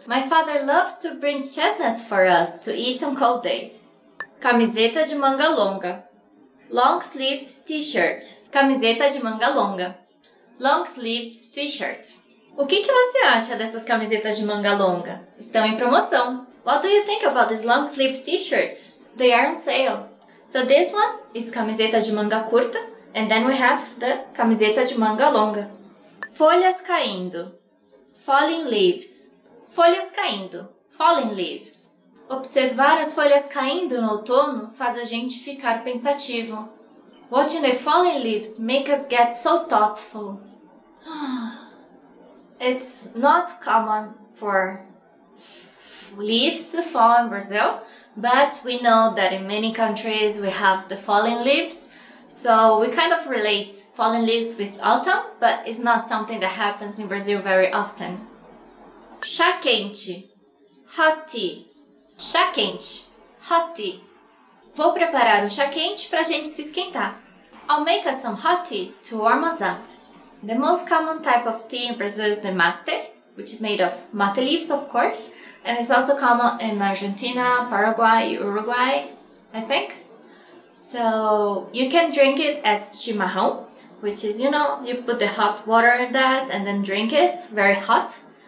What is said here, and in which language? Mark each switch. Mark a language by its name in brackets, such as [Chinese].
[English] My father loves to bring chestnuts for us to eat on cold days. [Portuguese] Camiseta de manga longa. [English] Long-sleeved t-shirt. [Portuguese] Camiseta de manga longa. [English] Long-sleeved t-shirt. [Portuguese] O que você acha dessas camisetas de manga longa? Estão em promoção. [English] What do you think about these long-sleeved t-shirts? They are on sale. So this one is camiseta de manga curta, and then we have the camiseta de manga longa. [Portuguese] Folhas caindo. [English] Falling leaves. [Portuguese] Folhas caindo. [English] Falling leaves. [Portuguese] Observar as folhas caindo no outono faz a gente ficar pensativo. [English] Watching the falling leaves make us get so thoughtful. It's not common for leaves to fall in Brazil, but we know that in many countries we have the falling leaves, so we kind of relate falling leaves with autumn, but it's not something that happens in Brazil very often. [Portuguese] Chá quente. [English] Hot tea. [Portuguese] Chá quente. Hot tea. Vou preparar chá quente para a gente se esquentar. [English] I'll make us some hot tea to warm us up. The most common type of tea in Brazil is the mate, which is made of mate leaves, of course, and it's also common in Argentina, Paraguay, Uruguay, I think. So you can drink it as chimarrão, which is, you know, you put the hot water in that and then drink it, very hot.